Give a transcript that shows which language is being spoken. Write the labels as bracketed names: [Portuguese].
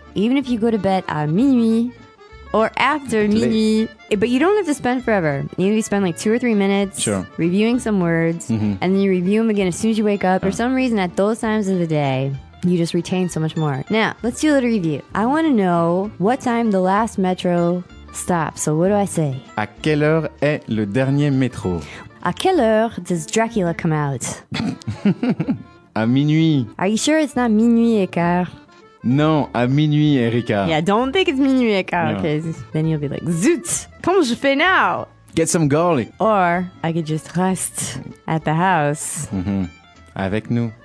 [English] Even if you go to bed at minuit or after minuit, but you don't have to spend forever. You need to spend like 2 or 3 minutes reviewing some words, mm-hmm. and then you review them again as soon as you wake up. For some reason, at those times of the day, you just retain so much more. Now, let's do a little review. I want to know what time the last metro stops. So what do I say? [French] À quelle heure est le dernier métro? À quelle heure [English] does Dracula come out? [French] À minuit. [English] Are you sure it's not minuit et quart? [French] Non, à minuit, Erika. [English] Yeah, don't think it's minuit, Erika, because then you'll be like, [French] zut, comment je fais [English] now? Get some garlic. Or I could just rest at the house. Mm-hmm. [French] Avec nous.